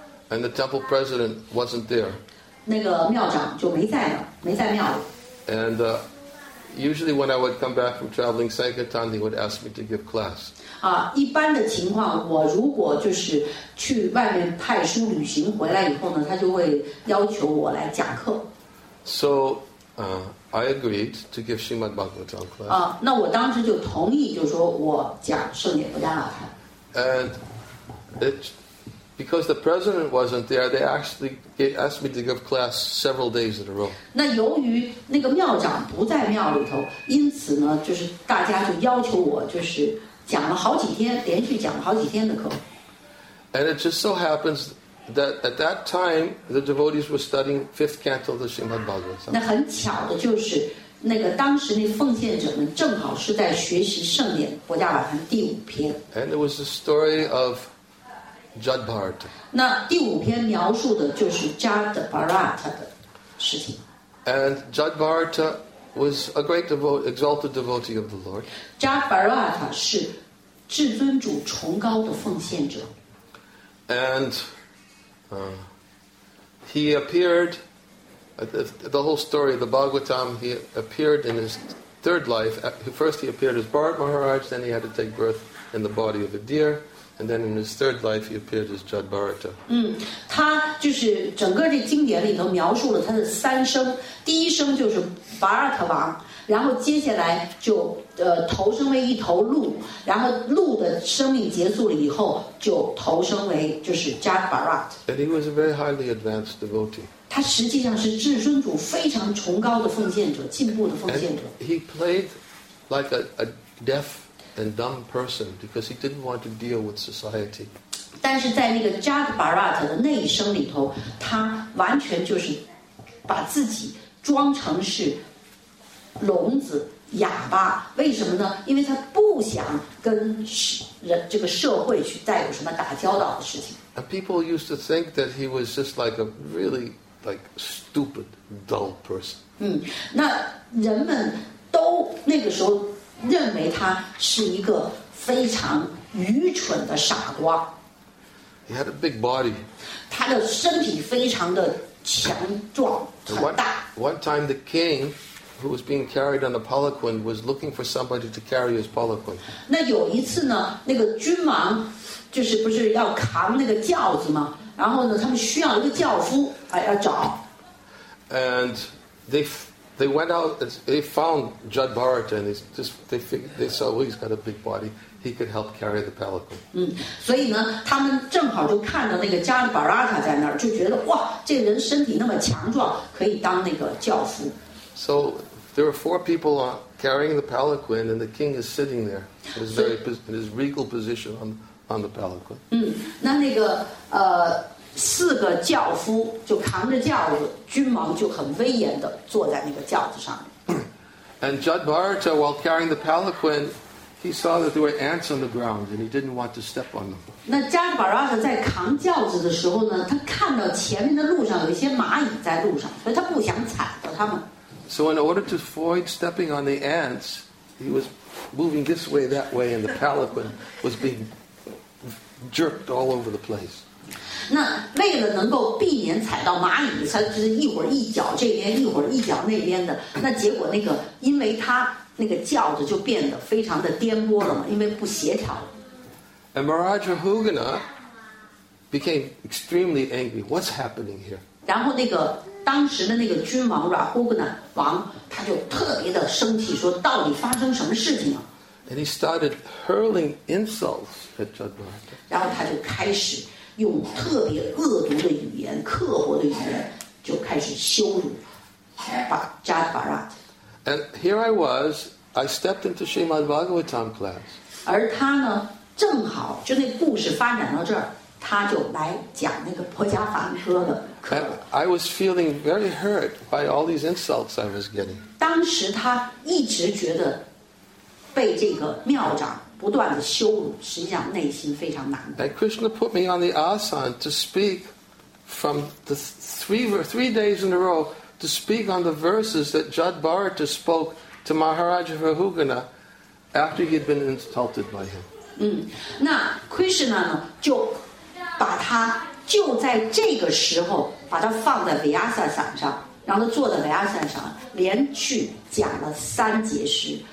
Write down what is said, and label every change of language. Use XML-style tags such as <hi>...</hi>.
<en>And the temple president wasn't there. And usually when I would come back from traveling Sankirtan, he would ask me to give class.</en> <zh>一般的情况，我如果就是去外面派书旅行回来以后呢，他就会要求我来讲课。</zh> <en>So I agreed to give Srimad Bhagavatam class.</en> <zh>那我当时就同意，就说我讲圣典不加拉谈。</zh> <en>And it, because the president wasn't there, they actually asked me to give class several days in a row.</en> <zh>那由于那个庙长不在庙里头，因此呢，就是大家就要求我，就是讲了好几天，连续讲了好几天的课。</zh> <en>And it just so happens that at that time, the devotees were studying fifth canto of the Srimad Bhagavatam.</en> <zh>那很巧的就是那个当时那奉献者们正好是在学习圣典《伯加瓦坛》第五篇。</zh> <en>And it was the story of Jadbharat.</en> <zh>那第五篇描述的就是 Jadbharat 的事情。</zh> <en>And Jadbharat was a great exalted devotee of the Lord.</en> <zh>Jadbharat 是至尊主崇高的奉献者。</zh> <en>And he appeared. The whole story of the Bhagavatam, he appeared in his third life. First he appeared as Bharat Maharaj, then he had to take birth in the body of a deer, and then in his third life he appeared as Jadbharata.</en> <zh>他就是整个这经典里头描述了他的三生，第一生就是 Bharat 王，然后接下来就投生为一头鹿，然后鹿的生命结束了以后就投生为就是 Jadbharat.</zh> <en>And he was a very highly advanced devotee.</en> <zh>他实际上是至尊主非常崇高的奉献者，进步的奉献者。</zh> <en>And、he played like a deaf and dumb person because he didn't want to deal with society.</en> <zh>但是在那个 Jadbharat 的那一生里头，他完全就是把自己装成是聋子、哑巴。为什么呢？因为他不想跟人这个社会去再有什么打交道的事情。</zh> <en>And people used to think that he was just like a really. Like stupid, dull person.</en> <zh>那人们都那个时候认为他是一个非常愚蠢的傻瓜。</zh> <en>He had a big body.</en> <zh>他的身体非常的强壮，很大。</zh> <en>One time, the king, who was being carried on a palanquin, was looking for somebody to carry his palanquin.</en> <zh>那有一次呢，那个君王就是不是要扛那个轿子吗？然后呢，他们需要一个轿夫，哎，要找。</zh> <en>And they went out. They found Jadbharata, and they saw he's got a big body. He could help carry the palanquin.</en> <zh>所以呢，他们正好就看到那个 Jadbharata 在那儿，就觉得哇，这人身体那么强壮，可以当那个轿夫。</zh> <en>So there were four people carrying the palanquin, and the king is sitting there in his very in his regal position on the palanquin.</en> <zh>那那个四个轿夫就扛着轿子，君王就很威严的坐在那个轿子上面。</zh> <en>And Jadbharata, while carrying the palanquin, he saw that there were ants on the ground, and he didn't want to step on them.</en> <zh>那 Jadbharata 在扛轿子的时候呢，他看到前面的路上有一些蚂蚁在路上，所以他不想踩到他们。</zh> <en>So in order to avoid stepping on the ants, he was moving this way, that way, and the palanquin was being jerked all over the place.</en> <zh>那为了能够避免踩到蚂蚁，他就是一会儿一脚这边，一会儿一脚那边的。那结果那个，因为他那个轿子就变得非常的颠簸了嘛，因为不协调。</zh> <en>And Maharaj Rahugana became extremely angry. What's happening here?</en> <zh>然后那个当时的那个君王 Rahugana 王，他就特别的生气，说到底发生什么事情了？</zh> <en>And he started hurling insults at Jadbharata.</en> <zh>然后他就开始用特别恶毒的语言、刻薄的语言，就开始羞辱 Jadbharata.</zh> <en>And here I was, I stepped into Srimad Bhagavatam class.</en> <zh>而他呢，正好就那故事发展到这儿，他就来讲那个《婆伽梵歌》的课。</zh> <en>And I was feeling very hurt by all these insults I was getting.</en> <zh>当时他一直觉得。被这个庙长不断的羞辱，实际上内心非常难过。</zh> <en>And Krishna put me on the asan to speak from the three days in a row to speak on the verses that Jadbharata spoke to Maharaja Rahugana after he had been insulted by him.</en> <zh>那 Krishna 呢就把他就在这个时候把他放在 Vyasa 伞上，让他坐在 Vyasa 上，连续讲了三节诗。</zh>